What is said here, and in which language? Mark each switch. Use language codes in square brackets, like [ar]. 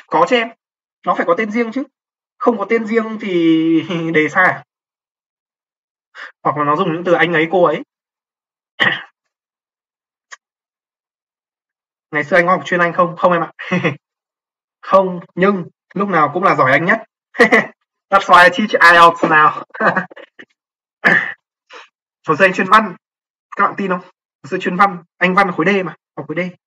[vi] Có chứ em, nó phải có tên riêng chứ, không có tên riêng thì đề sai à? Hoặc là nó dùng những từ anh ấy cô ấy. Ngày xưa anh có học chuyên Anh không? Không em ạ. Không, nhưng lúc nào cũng là giỏi Anh nhất. [en] That's why I teach IELTS now. [vi] Hồ sơ anh chuyên văn. Các bạn tin không? Hồ sơ chuyên văn. Anh văn khối D mà. Học khối D.